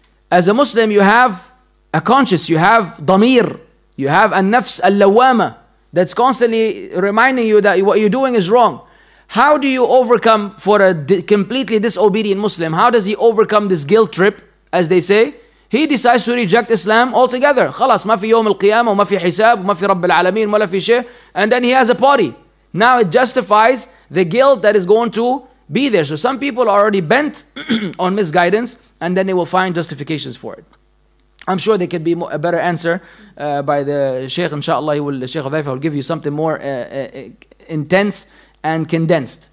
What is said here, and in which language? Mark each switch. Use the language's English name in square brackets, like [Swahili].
[English] As a Muslim, you have a conscience, you have damir, you have a nafs al-lawama that's constantly reminding you that what you're doing is wrong. How do you overcome for a completely disobedient Muslim? How does he overcome this guilt trip, as they say? He decides to reject Islam altogether. [Arabic] خلاص ما في يوم القيامة وما في حساب وما في رب العالمين ولا في شيء. [English] And then he has a party. Now it justifies the guilt that is going to be there. So some people are already bent on misguidance, and then they will find justifications for it. I'm sure there could be a better answer by the Sheikh, inshallah. Sheikh Hudhaifah will give you something more intense and condensed.